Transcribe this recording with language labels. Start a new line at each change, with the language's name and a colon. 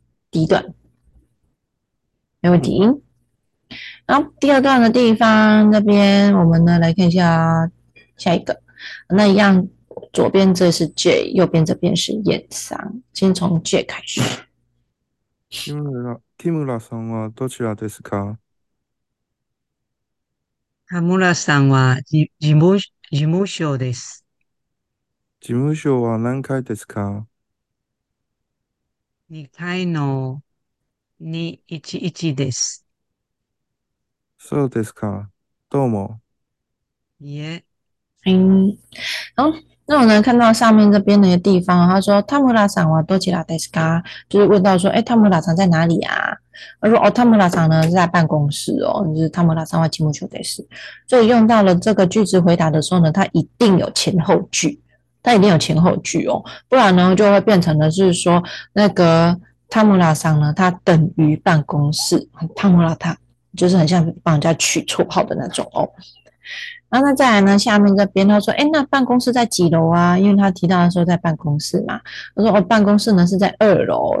Chinese: 第一段没问题，然后第二段的地方那边我们呢来看一下下一个，那一样左边这是 J，右边这边是 Yen 桑，先从 J 开始。
Japanese: 木村さんはどちらですか？田村さんは事務所です。事務所は何階ですか？ 2階の211です。そうですか。どうも。いえ。
Chinese: 然后那我能看到上面这边的一个地方，他说
Japanese: 田村さんはどちらですか？
Chinese: 就是问到说，田村さん在哪里啊？他说，哦，田村さん呢是在办公室哦，就是
Japanese: 田村さんは事務所です。
Chinese: 所以用到了这个句子回答的时候呢，他一定有前后句哦，不然呢就会变成的是说那个田村さん呢，他等于办公室，田村他。就是很像帮人家取绰号的那种哦。然后那再来呢，下面这边他说：“那办公室在几楼啊？”因为他提到的时候在办公室嘛，他说：“哦，办公室呢是在2楼。”